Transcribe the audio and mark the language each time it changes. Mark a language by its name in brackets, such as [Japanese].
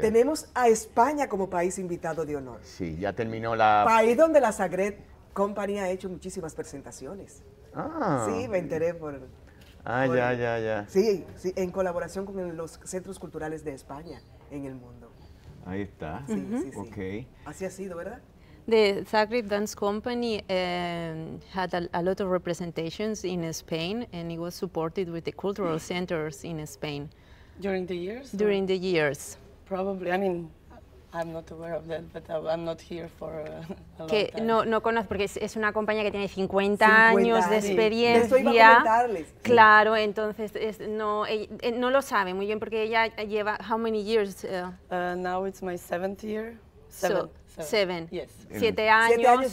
[Spanish] Tenemos a España como país invitado de honor. Sí, ya terminó la... País donde la Zagreb Company ha hecho muchísimas presentaciones. Ah. Sí, me enteré por... Ya. Sí, en colaboración con los centros culturales de España en el mundo. Ahí está. Sí, Ok. Así ha sido, ¿verdad? [English] The Zagreb Dance Company had a lot of representations in Spain, and it was supported with the cultural centers in Spain. During the years? During the years. Probably, I mean, I'm not aware of that, but I'm not here for a [Spanish] que [English] long time. [Spanish] No conozco, porque es una compañía que tiene 50 años de experiencia. Eso iba a comentarles. Claro, entonces, no lo sabe muy bien, porque ella lleva, [English] how many years? Now it's my seventh year. [Spanish] Siete años